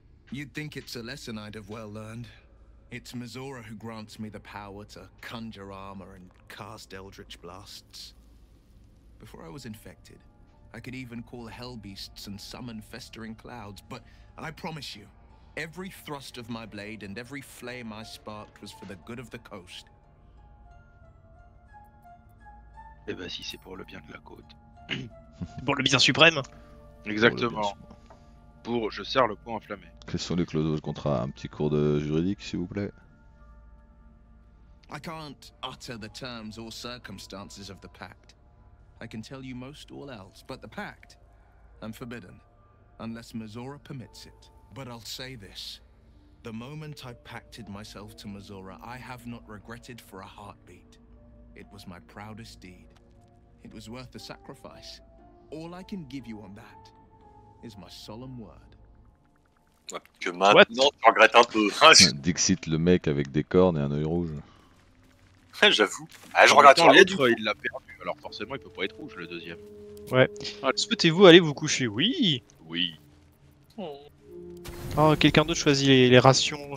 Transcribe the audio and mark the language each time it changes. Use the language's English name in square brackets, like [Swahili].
[English] You'd think it's a lesson I'd have well learned. It's Mizora who grants me the power to conjure armor and cast Eldritch Blasts. Before I was infected, I could even call hellbeasts and summon festering clouds, but I promise you, every thrust of my blade and every flame I sparked was for the good of the coast. [French] Eh ben si, c'est pour le bien de la côte. Pour le bien suprême. Exactement. Pour je sers le pont enflammé. Question de clause de contrat, un petit cours de juridique, s'il vous plaît. [English] I can't utter the terms or circumstances of the pact. I can tell you most all else, but the pact, I'm forbidden, unless Mizora permits it. But I'll say this: the moment I pacted myself to Mizora, I have not regretted for a heartbeat. It was my proudest deed. It was worth the sacrifice. All I can give you on that is my solemn word. [French] Que maintenant tu regrettes un peu. Dixit, le mec avec des cornes et un œil rouge. J'avoue. Ah, je regrette rien. L'être, il l'a perdu. Alors forcément, il peut pas être rouge le deuxième. Ouais. Alors, souhaitez-vous aller vous coucher? Oui. Oui. Oh, quelqu'un d'autre choisit les rations.